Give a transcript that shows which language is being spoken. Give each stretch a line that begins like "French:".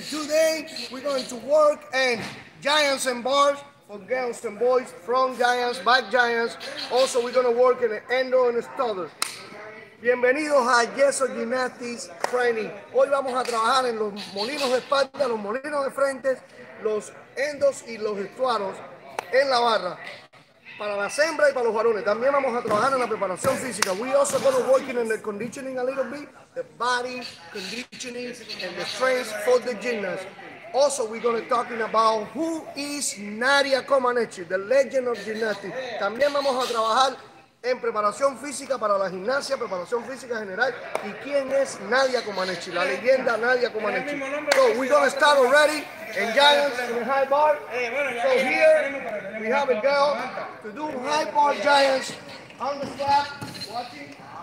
English: Today, we're going to work and giants and bars for girls and boys, front giants, back giants. Also, we're going to work in an endo and a stutter.
Spanish: Bienvenidos a Yeessooo Gymnastics Training. Hoy vamos a trabajar en los molinos de espalda, los molinos de frente, los endos y los estuaros en la barra. Para las hembras y para los varones. También vamos a trabajar en la preparación física.
English: We also gonna work in the conditioning a little bit, the body conditioning and the strength for the gymnast. Also, we're gonna talking about who is Nadia Comaneci, the legend of gymnastics.
Spanish: También vamos a trabajar en preparación física para la gimnasia, preparación física general. ¿Y quién es Nadia Comaneci? La leyenda Nadia Comaneci.
English: So, we're gonna start already in giants in high bar. So, here we have a girl to do high bar giants on the slab, watching.